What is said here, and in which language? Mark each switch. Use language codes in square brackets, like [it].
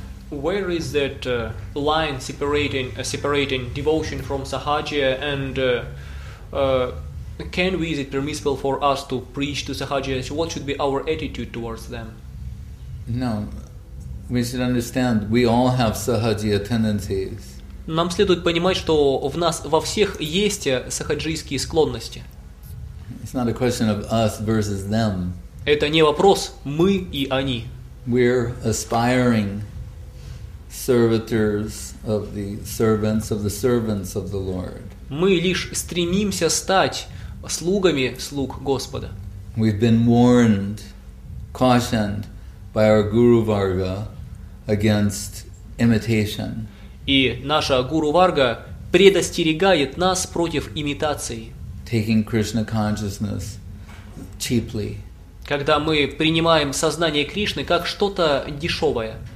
[en] Where is that line separating devotion from sahajya, and is it permissible for us to preach to sahajya? What should be our attitude towards them? No, we should understand we all have sahajya tendencies. [ru] Нам следует понимать, что в нас во всех есть сахаджийские склонности. [en] It's not a question of us versus them. [ru] Это не вопрос мы и они. [en] We're aspiring servitors of the servants of the servants of the Lord. [ru] Мы лишь стремимся стать слугами слуг Господа. [en] We've been warned, cautioned by our Guru Varga against imitation. [ru] И наша Гуру Варга предостерегает нас против имитации. [en] Taking Krishna consciousness cheaply. [ru] Когда мы принимаем сознание Кришны как что-то дешевое.